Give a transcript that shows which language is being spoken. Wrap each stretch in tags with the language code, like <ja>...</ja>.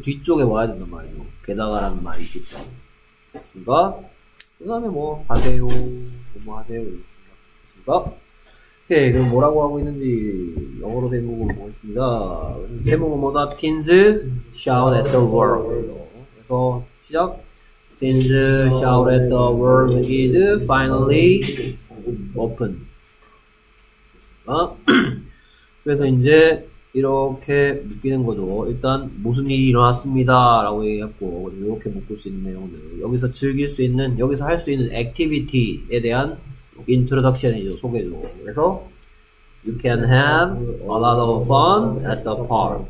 <ko>뒤쪽에 와야 된단 말이에요. 게다가란 말이 있기 때문에. 그 다음에 뭐 하세요, 뭐 하세요 이랬습니다. 됐습니까? 오케이, 그럼 뭐라고 하고 있는지 영어로 대목을 보겠습니다. 제목은 뭐다?</ko> <en>Teens shout at the world.</en> <ko>그래서 시작.</ko> <en>Teens shout at the world is finally open.</en> <ko>됐습니까? 그래서 이제 이렇게 묶이는 거죠. 일단 무슨 일이 일어났습니다 라고 얘기했고, 이렇게 묶을 수 있는 내용들, 여기서 즐길 수 있는, 여기서 할 수 있는 액티비티에 대한 인트로덕션이죠. 소개죠. 그래서</ko> <en>You can have a lot of fun at the park.</en>